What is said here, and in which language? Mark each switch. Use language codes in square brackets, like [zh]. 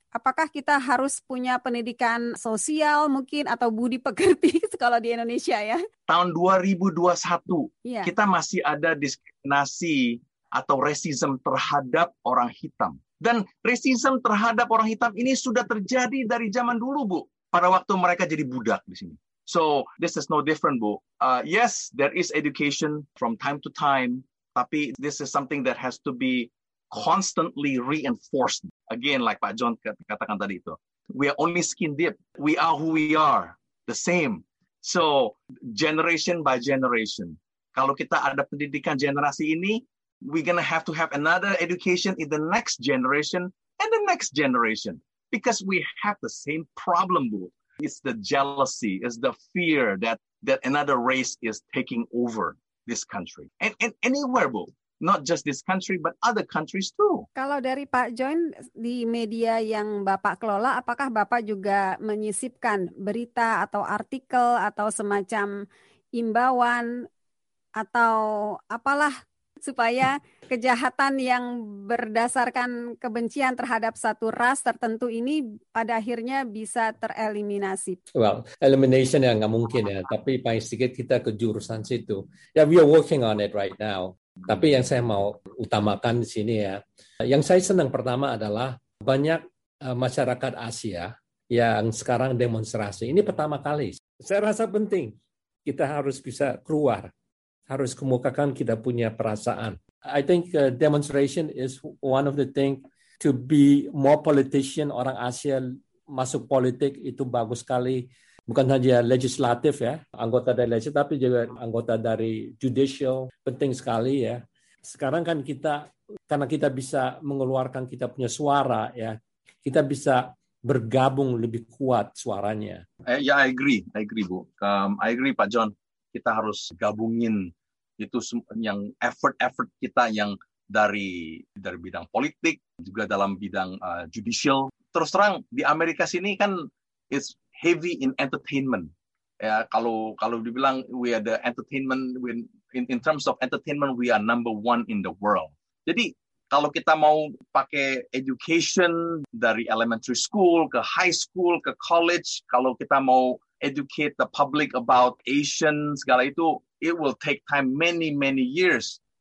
[id] Apakah kita harus punya pendidikan sosial mungkin atau budi pekerti kalau di Indonesia ya? Tahun 2021, yeah, kita masih ada diskriminasi atau rasisme terhadap orang hitam. Dan rasisme terhadap orang hitam ini sudah terjadi dari zaman dulu, Bu. Pada waktu mereka jadi budak di sini. [en] So, this is no different, Bu. Yes, there is education from time to time. Tapi this is something that has to be constantly reinforced. Again, like Pak John [id] katakan tadi itu. [en] We are only skin deep. We are who we are. The same. So, generation by generation. [id] Kalau kita ada pendidikan generasi ini, [en] we're going to have another education in the next generation and the next generation. Because we have the same problem, Bu. It's the jealousy, it's the fear that another race is taking over this country. And anywhere, Bu. Not just this country, but other countries too. [id] Kalau dari Pak John, di media yang Bapak kelola, apakah Bapak juga menyisipkan berita atau artikel atau semacam imbauan atau apalah supaya kejahatan yang berdasarkan kebencian terhadap satu ras tertentu ini pada akhirnya bisa tereliminasi? Well, elimination ya nggak mungkin ya, tapi paling sedikit kita ke jurusan situ. [en] Yeah, we are working on it right now. [id] Tapi yang saya mau utamakan di sini ya, yang saya senang pertama adalah banyak masyarakat Asia yang sekarang demonstrasi. Ini pertama kali. Saya rasa penting kita harus bisa keluar, harus kemukakan kita punya perasaan. [en] I think demonstration is one of the thing to be more politician. [id] Orang Asia masuk politik itu bagus sekali. Bukan saja legislatif ya, anggota dari legislatif, tapi juga anggota dari judicial. Penting sekali ya. Sekarang kan kita, karena kita bisa mengeluarkan kita punya suara ya, kita bisa bergabung lebih kuat suaranya. [en] Ya, I agree, Bu. I agree, Pak John. [id] Kita harus gabungin itu yang effort kita yang dari bidang politik, juga dalam bidang judicial. Terus terang, di Amerika sini kan [en] it's heavy in entertainment. Ya, [id] kalau dibilang [en] we are the entertainment, in terms of entertainment, we are number one in the world. [id] Jadi, kalau kita mau pakai [en] education dari elementary school ke high school, ke college, [id] kalau kita mau [en] educate the public about Asian, [id] segala itu, [en] it will take time many, many years.